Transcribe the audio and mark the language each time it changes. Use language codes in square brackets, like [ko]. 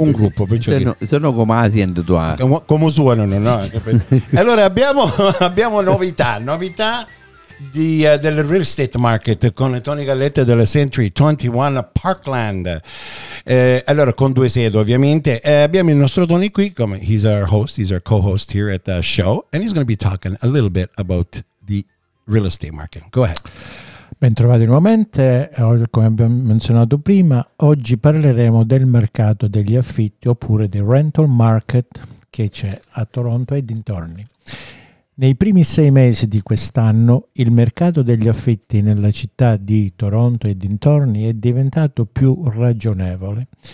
[it] un gruppo, sono come Asiento tua, come suonano, no? Allora abbiamo novità di, del real estate market con Tony Galletta della Century 21 Parkland, allora con due sedi ovviamente. Abbiamo il nostro Tony qui, come [en] he's our host, he's our co-host here at the show, and he's going to be talking a little bit about the real estate market. Go ahead. [it] Bentrovati nuovamente, come abbiamo menzionato prima, oggi parleremo del mercato degli affitti oppure del rental market che c'è a Toronto e dintorni. Nei primi sei mesi di quest'anno il mercato degli affitti nella città di Toronto e dintorni è diventato più ragionevole.